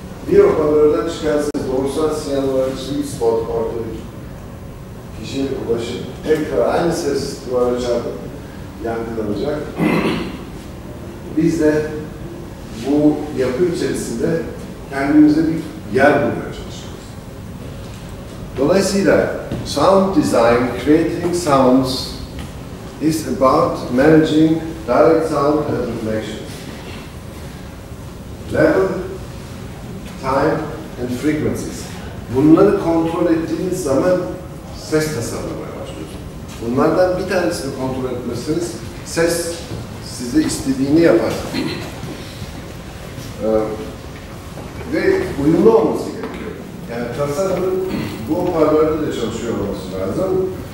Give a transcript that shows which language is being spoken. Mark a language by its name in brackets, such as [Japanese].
[Turkish] Bir hoparlörden çıkarsanız doğrusal sinyaller için bir spot ortaya kişiye ulaşıp tekrar aynı ses duvara çarpıp yangınlanacak. Biz de bu yapı içerisinde kendimize bir yer buluyoruz. Dolayısıyla [English] sound design, creating sounds is about managing direct sound and reflection. Level, time and frequencies. [Turkish] Bunları kontrol ettiğiniz zaman ses tasarlamaya başlıyorsunuz. Bunlardan bir tanesini kontrol etmezseniz ses size istediğini yapar. Ve uyumlu olması gerekiyor. Yani tasarımın bu hoparlörde de çalışıyor olması lazım.